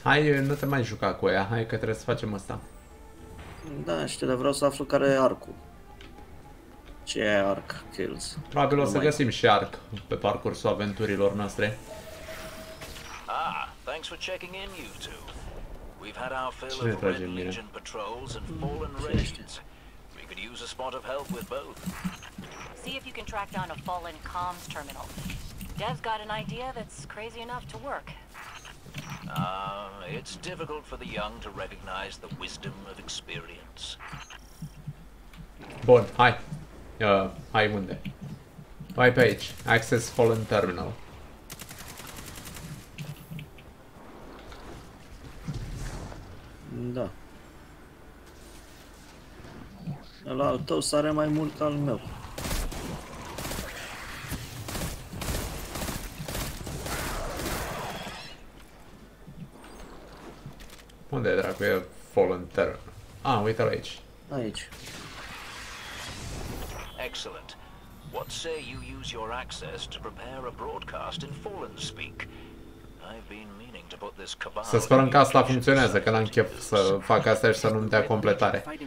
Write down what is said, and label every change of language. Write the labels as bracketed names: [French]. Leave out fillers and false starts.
[Romanian] Hai, nu te mai juca cu ea, hai că trebuie să facem asta. Da, știu, dar vreau să aflu care e arcul. Ce e arc kills? Probabil numai. O să găsim și arc pe parcursul aventurilor noastre. [English] Ah, thanks for checking in you two. We've had our fill of Red Legion patrols and fallen raids. We could use a spot of help with both. See if you can track down a fallen comms terminal. Dev's got an idea that's crazy enough to work. It's difficult for the young to recognize the wisdom of experience. [Romanian] Bun, hai. Hai unde? Hai pe aici. [English] Access Fallen Terminal. [Romanian] Da. Ăla al tău sare mai mult al meu. Unde e dracu? E Fallen Terminal. Ah, uite-l aici. Aici. [English] Excellent. What say you use your access to prepare a broadcast in Fallen speak? I've been meaning to put this cabal. [Romanian] Să sperăm că asta funcționează, că n-am chef să fac asta și să nu-mi dea completare.